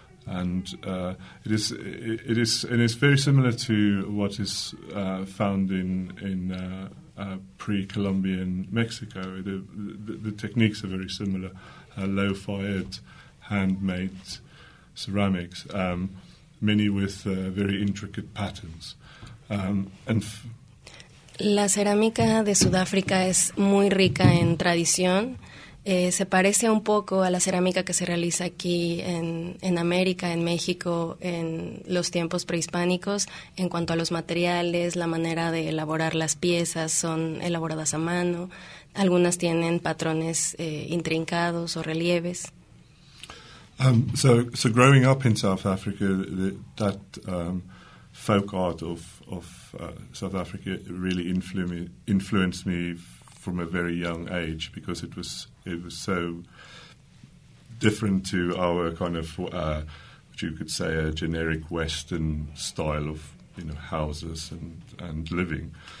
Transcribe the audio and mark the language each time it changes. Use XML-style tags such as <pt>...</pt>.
<en>And it is and it's very similar to what is found in pre-Columbian Mexico. The techniques are very similar, low-fired, handmade ceramics, many with very intricate patterns.</en> <es>La cerámica de Sudáfrica es muy rica en tradición. Se parece un poco a la cerámica que se realiza aquí en América, en México, en los tiempos prehispánicos, en cuanto a los materiales, la manera de elaborar las piezas, son elaboradas a mano, algunas tienen patrones intrincados o relieves.</es> <en>So growing up in South Africa, that folk art of South Africa really influenced me from a very young age, because it was so different to our kind of what you could say a generic Western style of, you know, houses and living.</en>